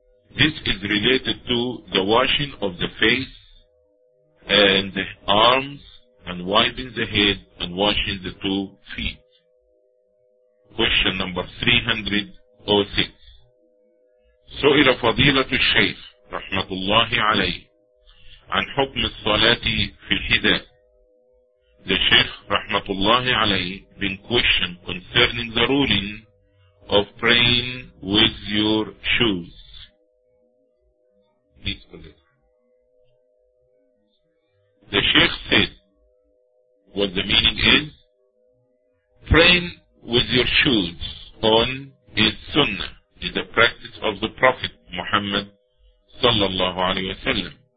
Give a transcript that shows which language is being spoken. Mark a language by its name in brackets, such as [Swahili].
[English] This is related to the washing of the face and the arms and wiping the head and washing the 2 feet. Question number 306. [Arabic] سئل فضيلة الشيخ رحمة الله عليه عن حكم الصلاة في الحذاء. [English] The Sheikh rahmatullahi alayhi been questioned concerning the ruling of praying with your shoes. Please collect. The Sheikh said, what the meaning is, praying with your shoes on is sunnah, is the practice of the Prophet Muhammad sallallahu alayhi wa sallam.